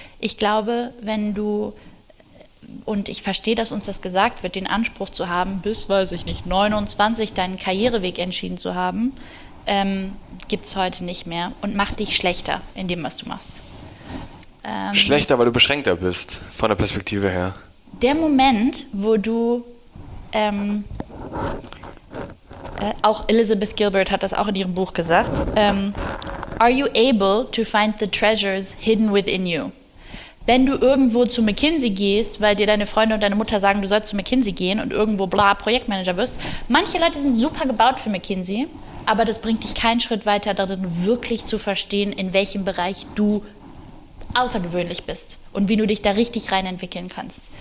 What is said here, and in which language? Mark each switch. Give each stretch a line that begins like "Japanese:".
German: Ich glaube, wenn du, und ich verstehe, dass uns das gesagt wird, den Anspruch zu haben, bis, weiß ich nicht, 29 deinen Karriereweg entschieden zu haben, gibt es heute nicht mehr und macht dich schlechter in dem, was du machst. Schlechter, weil du beschränkter bist, von der Perspektive her. Der Moment, wo du auch Elizabeth Gilbert hat das auch in ihrem Buch gesagt.
English: Are you able to find the treasures hidden within you?
German: Wenn du irgendwo zu McKinsey gehst, weil dir deine Freunde und deine Mutter sagen, du sollst zu McKinsey gehen und irgendwo bla Projektmanager wirst. Manche Leute sind super gebaut für McKinsey, aber das bringt dich keinen Schritt weiter darin, wirklich zu verstehen, in welchem Bereich du außergewöhnlich bist und wie du dich da richtig reinentwickeln kannst.